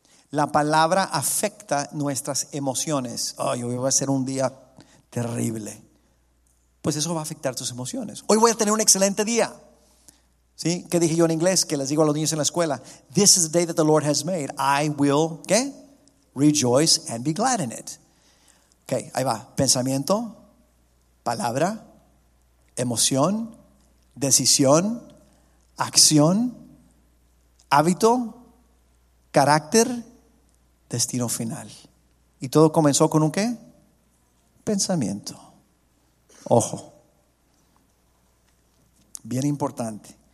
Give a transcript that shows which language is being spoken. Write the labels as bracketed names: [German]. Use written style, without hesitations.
[Spanish] La palabra afecta nuestras emociones. Ay, hoy va a ser un día terrible. Pues eso va a afectar tus emociones. Hoy voy a tener un excelente día. ¿Sí? ¿Qué dije yo en inglés? Que les digo a los niños en la escuela. [English] This is the day that the Lord has made. I will, ¿qué? Rejoice and be glad in it. [Spanish] Ok, ahí va. Pensamiento, palabra, emoción, decisión, acción, hábito, carácter, destino final. Y todo comenzó con un ¿qué? Pensamiento. Ojo, bien importante.